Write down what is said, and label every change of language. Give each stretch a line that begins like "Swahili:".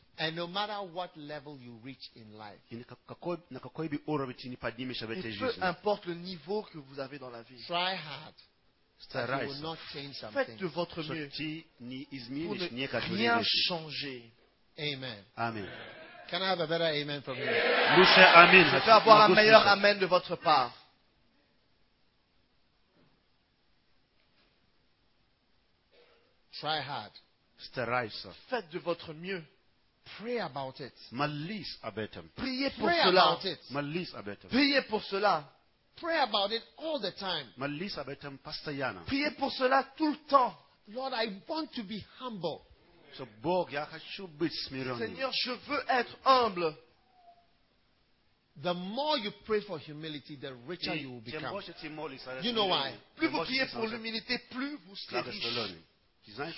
English: And no matter what level you reach in life.
Russian: На какой бы уровень ты не поднимешься в этой жизни.
French: Peu importe le niveau que vous avez dans la vie.
English: Try hard.
Russian: Старайся.
French: Faites de votre mieux.
Russian: Ты не изменишь никак.
French: Rien changer.
English: Amen. Amen. Can I have a better amen from you? Lucien, amen.
French: Je peux avoir un meilleur amen de votre part.
English: Try hard.
Russian: Старайся.
French: Faites de votre mieux.
English: Pray about it.
Russian: Молись об этом.
French: Priez pour
English: Pray
French: cela.
English: About it.
Russian: Молись об этом.
French: Priez pour cela.
English: Pray about it all the time.
Russian: Молись об этом постоянно.
French: Priez pour cela tout le temps.
English: Lord, I want to be humble.
Russian: So, Бог, я хочу быть смиренным.
French: Seigneur, je veux être humble.
English: The more you pray for humility, the richer you will become.
Russian: Больше ты молишься,
English: you know why?
French: Plus vous priez pour l'humilité, plus vous serez riche.